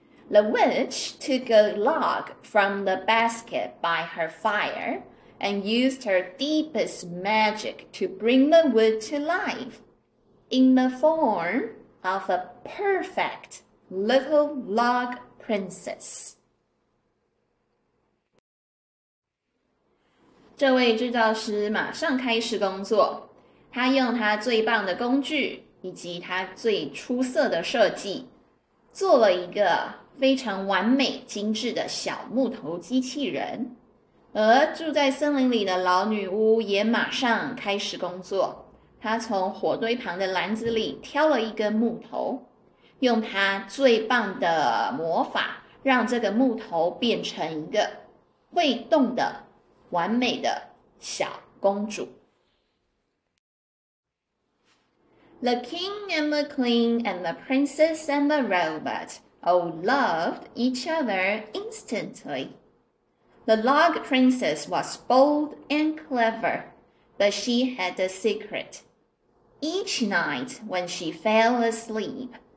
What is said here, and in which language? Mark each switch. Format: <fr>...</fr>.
<en>The witch took a log from the basket by her fire, and used her deepest magic to bring the wood to life in the form of a perfect little log princess.</en> <zh>这位制造师马上开始工作，他用他最棒的工具以及他最出色的设计，做了一个非常完美精致的小木头机器人。而住在森林里的老女巫也马上开始工作。她从火堆旁的篮子里挑了一根木头，用她最棒的魔法，让这个木头变成一个会动的、完美的小公主。</zh> <en>The king and the queen and the princess and the robot all loved each other instantly. The log princess was bold and clever, but she had a secret. Each night when she fell asleep,</en>